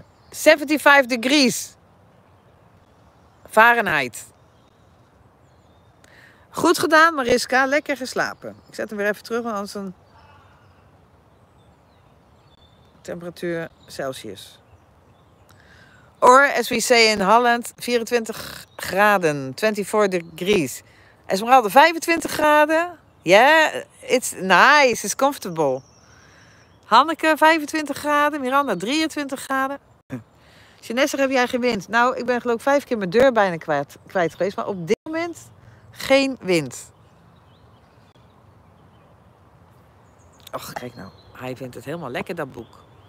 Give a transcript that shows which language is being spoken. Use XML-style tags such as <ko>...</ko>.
<en>-75 degrees. Fahrenheit.</en> <nl>Goed gedaan, Mariska. Lekker geslapen. Ik zet hem weer even terug, want anders een temperatuur Celsius.</nl> <en>Or, as we say in Holland,</en> <nl>24 graden,</nl> <en>24 degrees. Esmeralda,</en> <nl>25 graden.</nl> <en>Yeah, it's nice, it's comfortable.</en> <nl>Hanneke, 25 graden. Miranda, 23 graden. Sinessa, heb jij geen wind? Nou, ik ben geloof ik 5 keer mijn deur bijna kwijt geweest. Maar op dit moment geen wind. Och, kijk nou. Hij vindt het helemaal lekker, dat boek.</nl>